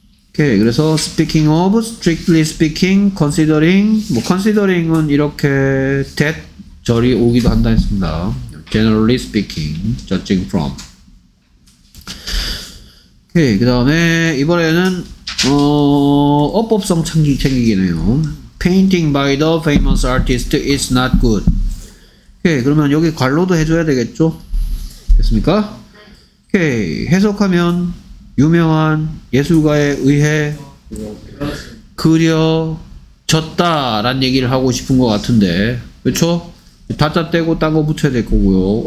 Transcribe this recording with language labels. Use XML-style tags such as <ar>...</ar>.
<ko>오케이. 그래서</ko> <en>speaking of, strictly speaking, considering,</en> <ko>뭐 considering은 이렇게 that 절이 오기도 한다 했습니다.</ko> <en>generally speaking, judging from.</en> <ko>오케이. 그 다음에 이번에는 어법성 챙기기네요.</ko> <en>painting by the famous artist is not good.</en> <ko>오케이. 그러면 여기 관로도 해줘야 되겠죠? 됐습니까? 오케이. 해석하면 유명한 예술가에 의해 그려졌다 라는 얘기를 하고 싶은 것 같은데 그쵸? 다짜 떼고 딴 거 붙여야 될 거고요.</ko>